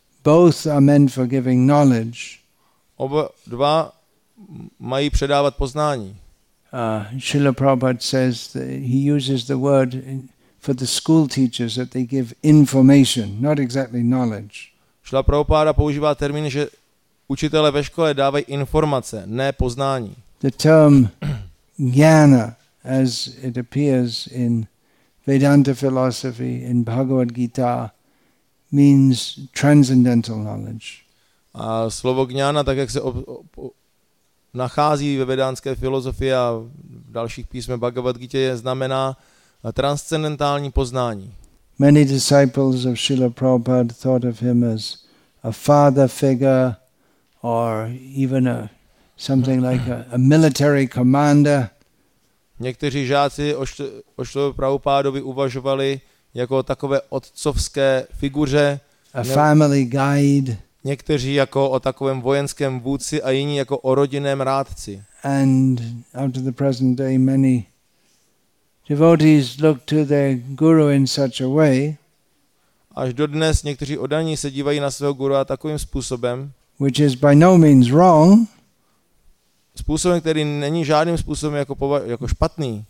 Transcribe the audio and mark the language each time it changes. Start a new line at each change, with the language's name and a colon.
English: Both are meant for giving knowledge.
Czech: Oba dva mají předávat poznání.
English: Srila Prabhupada says that he uses the word for the school teachers that they give information, not exactly knowledge.
Czech: Srila Prabhupada používá termín, že učitelé ve škole dávají informace, ne poznání.
English: The term jnana, as it appears in Vedanta philosophy, in Bhagavad Gita, means transcendental knowledge.
Czech: A slovo jnana, tak jak se nachází ve vedantské filozofii a v dalších písmech Bhagavad Gita, znamená transcendentální poznání.
English: Many disciples of Srila Prabhupada thought of him as a father figure or even a something like a military commander.
Czech: Někteří žáci o Šrile Prabhupádovi uvažovali jako takové otcovské figuře,
English: a family guide.
Czech: Někteří jako o takovém vojenském vůdci a jiní jako o rodinném rádci.
English: And out of the present day many devotees look to their guru in such a way.
Czech: Až dodnes někteří oddaní se dívají na svého gurua takovým způsobem,
English: which is by no means wrong.
Czech: Způsobem, který není žádným způsobem jako špatný.